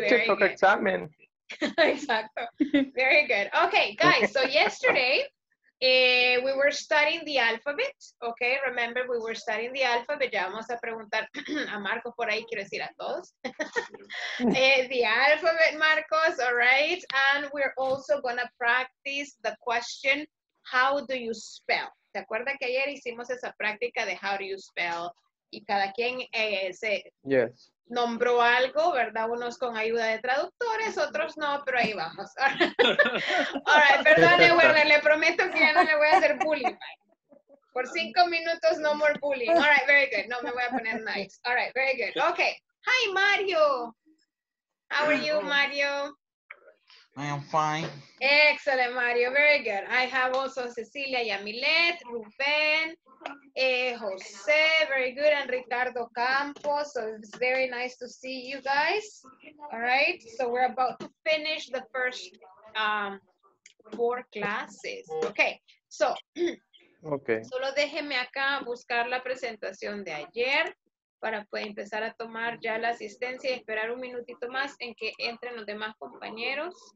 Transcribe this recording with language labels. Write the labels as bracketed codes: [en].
[en] very good. Examen. Exacto. Very good. Okay, guys, so yesterday... we were studying the alphabet, okay? Remember, we were studying the alphabet. [es] Ya vamos a preguntar a Marcos por ahí, quiero decir a todos. [en] the alphabet, Marcos, all right? And we're also going to practice the question, how do you spell? [es] ¿Te acuerdas que ayer hicimos esa práctica de [en] how do you spell? [es] Y cada quien se [en] yes. [es] nombró algo, ¿verdad? Unos con ayuda de traductores, otros no, pero ahí vamos. [en] All right, [es] perdone, Werner, le prometo que ya no le voy a hacer bullying. Por 5 minutos, [en] no more bullying. All right, very good. [es] No, me voy a poner [en] nice. All right, very good. Okay. Hi, Mario. How are you, Mario? I am fine. Excellent, Mario. Very good. I have also Cecilia Yamilet, Rubén, José. Very good. And Ricardo Campos. So it's very nice to see you guys. All right. So we're about to finish the first four classes. Okay. So. Okay. [es] Solo déjeme acá buscar la presentación de ayer para poder empezar a tomar ya la asistencia y esperar un minutito más en que entren los demás compañeros.